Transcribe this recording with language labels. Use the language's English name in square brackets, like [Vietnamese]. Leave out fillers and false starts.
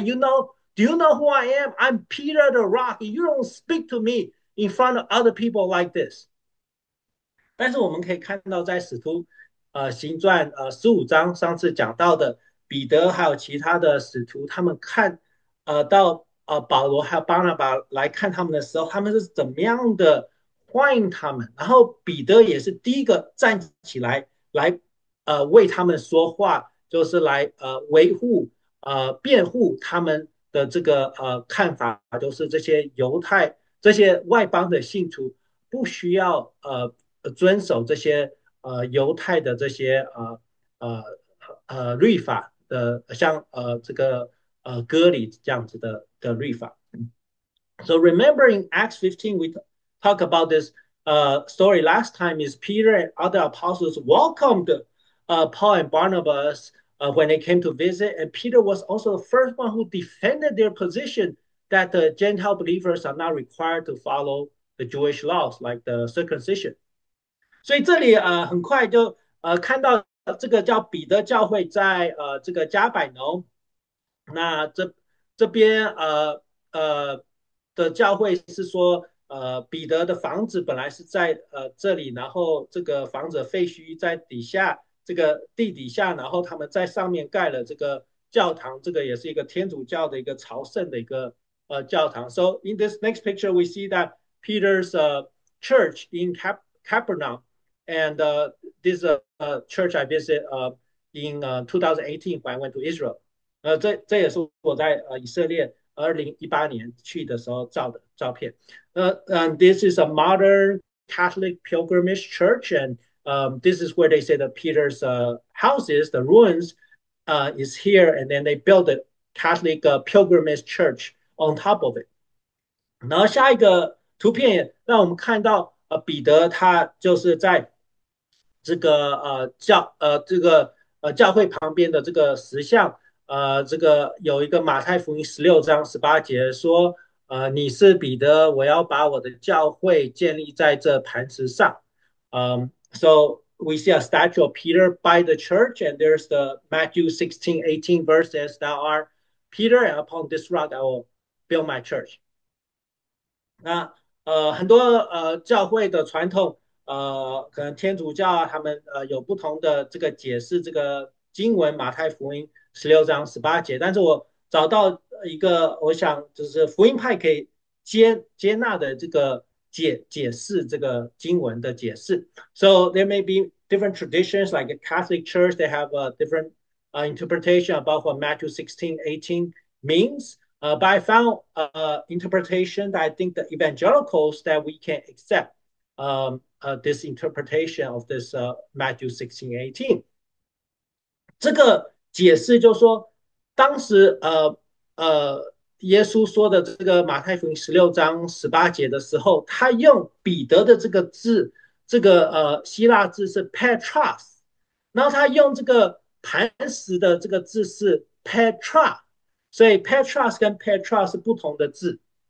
[English] You know, do you know who I am? I'm Peter the Rock, and you don't speak to me in front of other people like this." [Chinese] 但是我们可以看到，在使徒行传15章上次讲到的彼得还有其他的使徒，他们看到保罗还有巴拿巴来看他们的时候，他们是怎么样的欢迎他们？然后彼得也是第一个站起来为他们说话，就是来维护辩护他们的这个看法，就是这些犹太这些外邦的信徒不需要遵守这些。犹太的这些律法的，像这个割礼这样子的律法。 [English] So remembering Acts 15, we talk about this story last time. Is Peter and other apostles welcomed Paul and Barnabas when they came to visit, and Peter was also the first one who defended their position that the Gentile believers are not required to follow the Jewish laws like the circumcision. [Chinese] 所以这里很快就看到这个叫彼得教会在这个加百农，那这边的教会是说彼得的房子本来是在这里，然后这个房子废墟在底下这个地底下，然后他们在上面盖了这个教堂，这个也是一个天主教的一个朝圣的一个教堂。 [English] So in this next picture, we see that Peter's church in Capernaum. And this is a church I visited in 2018 when I went to Israel. [Chinese] 这也是我在以色列2018年去的时候照的照片. [English] And this is a modern Catholic pilgrimage church, and this is where they say that Peter's house is, the ruins is here, and then they built a Catholic pilgrimage church on top of it. [Chinese] 然后下一个图片让我们看到彼得他就是在这个教会旁边的这个石像，这个有一个马太福音16章18节说，你是彼得，我要把我的教会建立在这磐石上。 [English] So we see a statue of Peter by the church, and there's the Matthew 16:18 verses that are Peter, and upon this rock I will build my church. [Chinese] 那很多教会的传统。可能天主教啊，他们有不同的这个解释这个经文，马太福音16章18节。但是我找到一个，我想就是福音派可以接纳的这个解释这个经文的解释。 [English] So there may be different traditions, like a Catholic Church, they have a different interpretation about what Matthew 16:18 means. But I found interpretation that I think the evangelicals that we can accept. This interpretation of this Matthew 16:18， [Chinese] 这个解释就是说，当时耶稣说的这个马太福音16章18节的时候，他用彼得的这个字，这个希腊字是 Petras，然后他用这个磐石的这个字是 Petra，所以 Petras 跟 Petra 是不同的字。